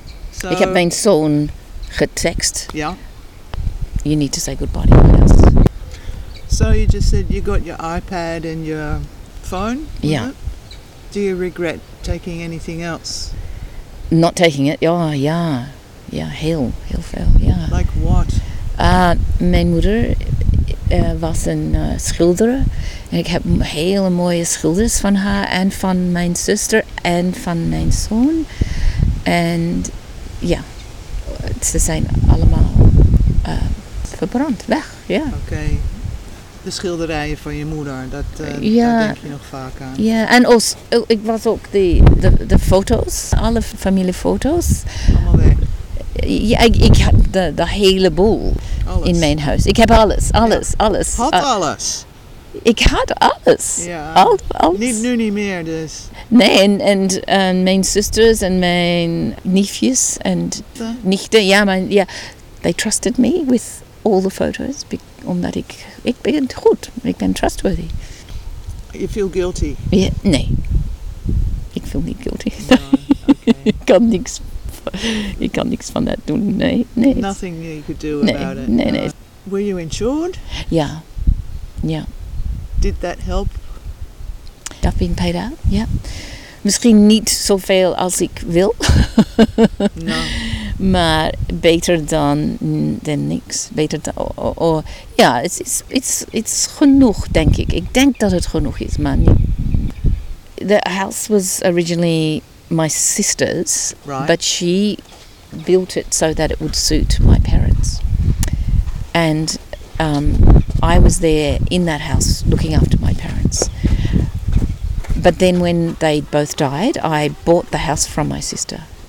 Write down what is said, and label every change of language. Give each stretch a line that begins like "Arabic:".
Dutch: So ik heb mijn zoon getext.
English: Yeah. You need to say goodbye to my house. So you just said you got your iPad and your phone? Yeah. Do you regret taking anything else? Not taking it? Oh, yeah. Yeah,
Dutch: heel veel,
English: yeah. Like what?
Dutch: Mijn moeder was een schilder en ik heb hele mooie schilders van haar en van mijn zuster en van mijn zoon en ja, ze zijn allemaal verbrand, weg, ja.
English: Yeah. Oké, okay.
Dutch: De schilderijen van je moeder, daar denk je nog vaak aan. Ja, en ik was ook de foto's, alle familiefoto's. Allemaal weg. Ja, ik had de hele boel alles. In mijn huis. Ik heb alles. Had alles? Ik had alles. Ja. Alles. Niet nu niet meer dus. Nee, en mijn zusters en mijn neefjes en nichten.
English: Ja, they trusted me with all the photos.
Dutch: Omdat ik ben goed. Ik ben trustworthy.
English: You feel guilty?
Dutch: Ja, nee. Ik voel niet guilty.
English: No. Okay.
Dutch: Ik kan niks. Ik kan niks van dat doen, nee.
English: Nothing you could do about it. Were you insured? Ja, ja. Did that help? I've been paid out, ja.
Dutch: Misschien niet zoveel als ik wil.
English: No.
Dutch: Maar beter dan niks. Beter dan, het is genoeg, denk ik. Ik denk dat het genoeg is, maar niet.
English: The house was originally my sister's, right. But she built it so that it would suit my parents. And I was there in that house looking after my parents. But then when they both died, I bought the house from my sister.